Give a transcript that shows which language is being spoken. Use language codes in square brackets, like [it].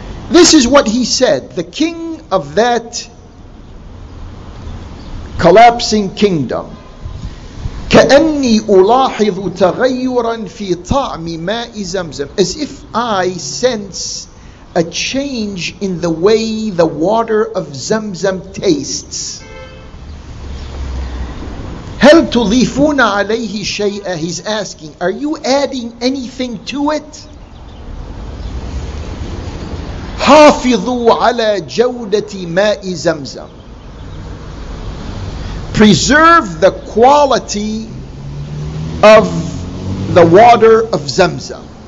[en] This is what he said. The king of that collapsing kingdom, [ar] كأني ألاحظ تغيرا في طعم ماء زمزم, [en] as if I sense a change in the way the water of Zamzam tastes. [ar] هل تضيفون عليه شيئا? [en] He's asking, are you adding anything to it? [ar] حافظوا على جودة ماء زمزم. [en] Preserve the quality of the water of Zamzam.